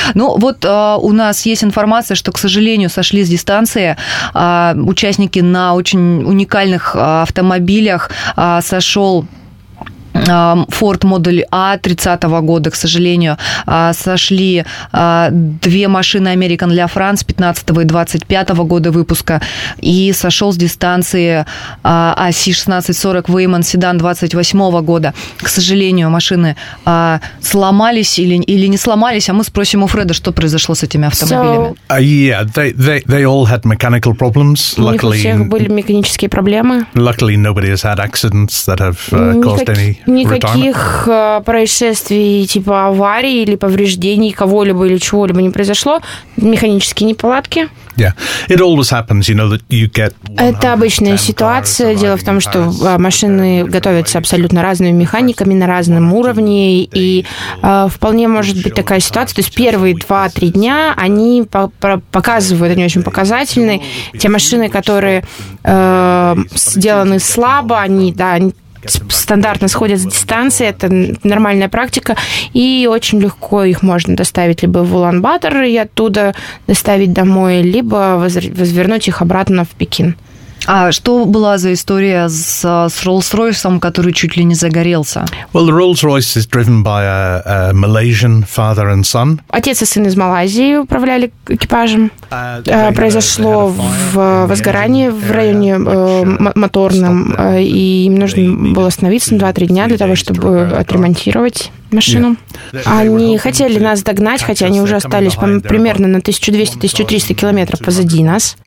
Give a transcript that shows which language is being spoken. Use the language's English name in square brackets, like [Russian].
[Russian] Ну, вот у нас есть информация, что, к сожалению, сошли с дистанции участники на очень уникальных автомобилях, сошел Ford Model A 30-го года, к сожалению, сошли две машины American La France 15-го и 25-го года выпуска, и сошел с дистанции AC1640 Weyman седан 28-го года. К сожалению, машины сломались или не сломались, а мы спросим у Фреда, что произошло с этими автомобилями. [English] They all had mechanical problems. Luckily, [Russian] у них у всех были механические проблемы. [English] Luckily, nobody has had accidents that have caused any... [Russian] Никаких происшествий типа аварий или повреждений кого-либо или чего-либо не произошло. Механические неполадки. Это обычная ситуация. Дело в том, что машины готовятся абсолютно разными механиками на разном уровне, и вполне может быть такая ситуация. То есть первые 2-3 дня они показывают, они очень показательны. Те машины, которые сделаны слабо, они, да, они стандартно сходят с дистанции, это нормальная практика, и очень легко их можно доставить либо в Улан-Батор и оттуда доставить домой, либо возвернуть их обратно в Пекин. А что была за история с Роллс-Ройсом, который чуть ли не загорелся? [English] Well, the Rolls-Royce is driven by a Malaysian father and son. [Russian] Отец и сын из Малайзии управляли экипажем. Произошло возгорание в районе моторном, и им нужно было остановиться на 2-3 дня для того, чтобы отремонтировать машину. [English] Yeah. [Russian] Они хотели нас догнать, хотя они уже остались примерно на 1200-1300 километров позади нас.